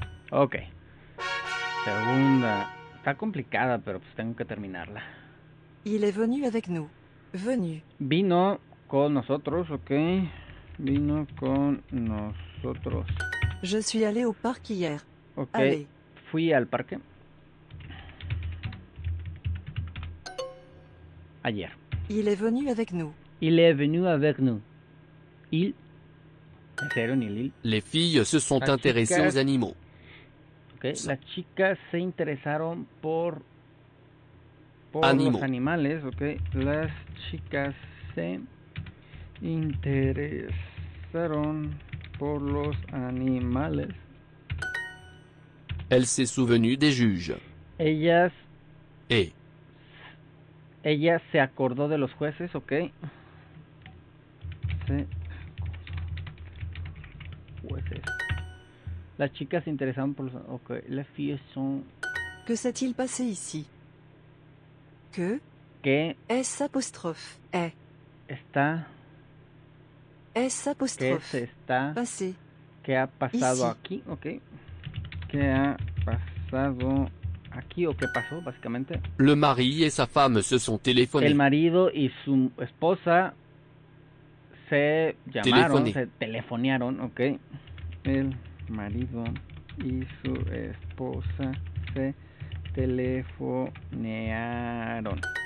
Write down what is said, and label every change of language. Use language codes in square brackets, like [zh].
[es] Ok. Segunda. Está complicada, pero pues tengo que terminarla. [fr] Il est venu avec nous. Venu. [es] Vino con nosotros, ok. Vino con nosotros. [fr] Je suis allé au parc hier. [es] Ok. Allez. Fui al parque. Ayer. [fr] Il est venu avec nous. Il est venu avec nous. Il. Les filles se sont intéressées aux animaux. Ok. [es] Las chicas se interesaron por animaux. Los animales. Ok. Las chicas se interesaron por los animales. [fr] Elle s'est souvenue des juges. [es] Ellas. [fr] Et. [es] Ella se acordó de los jueces, ok. Se. Jueces. Las chicas se interesaron por los. Ok. Las filles son. [fr] Que s'est-il passé ici? Que. Que. S apostrophe. Est. [es] Está. [fr] S apostrophe. [es] Que se está. [fr] Passé. [es] Que ha pasado ici. Aquí, ok. Que ha. Pasado aquí o qué pasó básicamente. [fr] Le mari et sa femme se sont téléphonés. [es] El marido y su esposa se llamaron, se telefonearon, ok. El marido y su esposa se telefonearon.